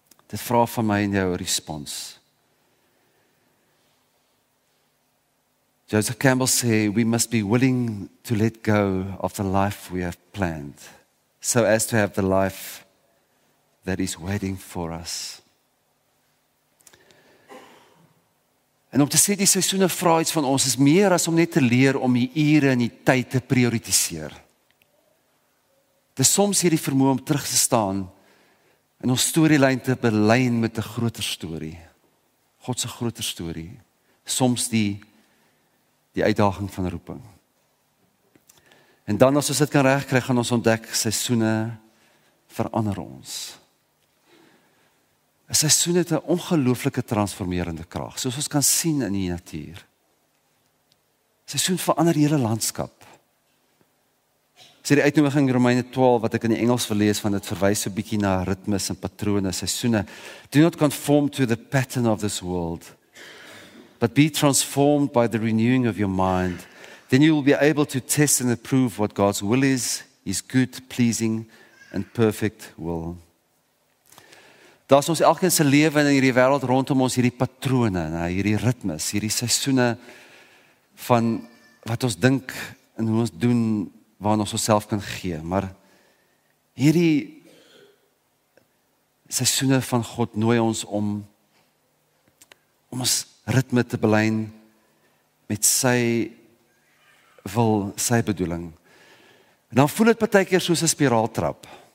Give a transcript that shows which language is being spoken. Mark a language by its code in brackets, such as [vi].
[af] Dit vraag van my en jou respons. [en] Joseph Campbell [af] sê, [en] we must be willing to let go of the life we have planned, so as to have the life that is waiting for us. [af] En om te sê, die seisoene vra iets van ons, is meer as om net te leer om die ure en die tyd te prioritiseer. Dis soms hierdie vermoë om terug te staan en ons storielijn te belyn met 'n groter story. God se groter story. Soms die uitdaging van roeping. En dan as ons dit kan regkry, gaan ons ontdek, seisoene verander ons. Een seisoen het 'n ongelooflike transformerende krag, soos ons kan sien in die natuur. Seisoen verander die hele landskap. Sê die uitnodiging in Romeine 12, wat ek in die Engels verlees, want het verwys so 'n bietjie na ritmes en patrone, seisoene. [en] Do not conform to the pattern of this world, but be transformed by the renewing of your mind. Then you will be able to test and approve what God's will is, his good, pleasing and perfect will. [af] Daar is ons elkeen se lewe in hierdie wêreld rondom ons hierdie patrone, hierdie ritmes, hierdie seisoene van wat ons dink en hoe ons doen, waarin ons onsself kan gee. Maar hierdie seisoene van God nooi ons om ons ritme te belyn met sy wil, sy bedoeling. En dan voel het partykeer soos 'n spiraaltrap.